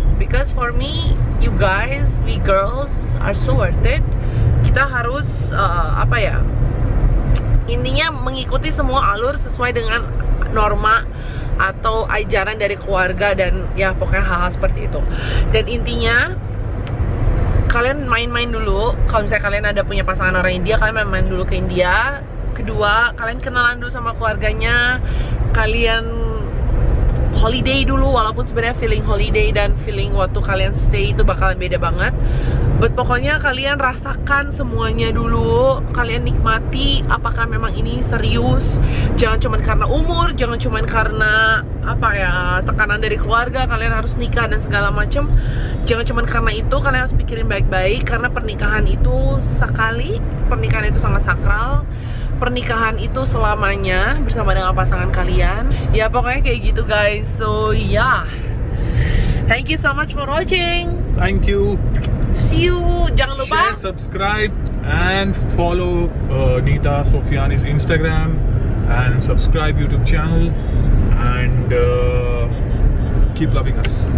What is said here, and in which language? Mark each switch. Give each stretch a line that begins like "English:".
English: Because for me, you guys, we girls are so worth it.
Indonesian: Kita harus apa ya, intinya mengikuti semua alur sesuai dengan norma atau ajaran dari keluarga, dan ya pokoknya hal-hal seperti itu. Dan intinya, kalian main-main dulu. Kalau misalnya kalian ada punya pasangan orang India, kalian main-main dulu ke India. Kedua, kalian kenalan dulu sama keluarganya. Kalian holiday dulu, walaupun sebenarnya feeling holiday dan feeling waktu kalian stay itu bakalan beda banget. But pokoknya kalian rasakan semuanya dulu, kalian nikmati apakah memang ini serius. Jangan cuma karena umur, jangan cuma karena apa ya, tekanan dari keluarga, kalian harus nikah dan segala macam. Jangan cuma karena itu, kalian harus pikirin baik-baik, karena pernikahan itu sekali, pernikahan itu sangat sakral. Pernikahan itu selamanya bersama dengan pasangan kalian. Ya pokoknya kayak gitu guys.
English: So yeah, thank you so much for watching. Thank you. See you.
Indonesian: Jangan lupa
English: share, subscribe, and follow Nita Sofiani's Instagram and subscribe YouTube channel, and keep loving us.